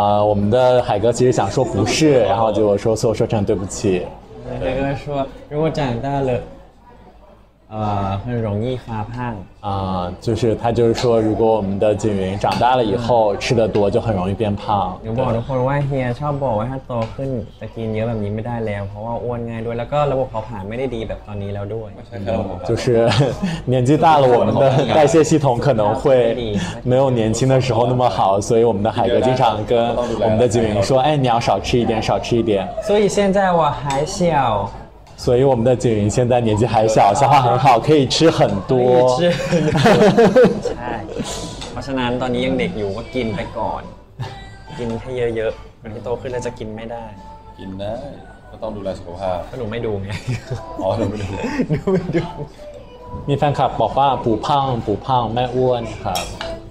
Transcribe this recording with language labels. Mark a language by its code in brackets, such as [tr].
[zh] 我们的海哥其实想说不是然后结果说错说成对不起海哥说如果长大了很容易发胖啊、就是他就是说如果我们的景云长大了以后吃的多就很容易变胖 [th] 有บอกทุกคนว่าเฮียชอบบอกว่าถ้าโตขึ้นจะกินเยอะแบบนี้ไม่ได้แล้วเพราะว่าอ้วนง่ายด้วยแล้วก็ระบบเผาผลาญไม่ได้ดีแบบตอนนี้แล้วด้วย ใช่ครับ [zh] คือ年纪大了我们的代谢系统可能会没有年轻的时候那么好所以我们的海哥经常跟我们的景云说哎你要少吃一点少吃一点所以现在我还小所以我们的景云现在年纪还小消化很好可以吃很多 [th] 吃ใช่เพราะฉะนั้นตอนนี้ยังเด็กอยู่ก็กินไปก่อนกินให้เยอะๆวันนี้โตขึ้นแล้วจะกินไม่ได้กินนะก็ต้องดูแลสุขภาพ หนูไม่ดูไง อ๋อหนูไม่ดู หนูไม่ดู มีแฟนคลับบอกว่าปู่พังปู่พังแม่อ้วนครับ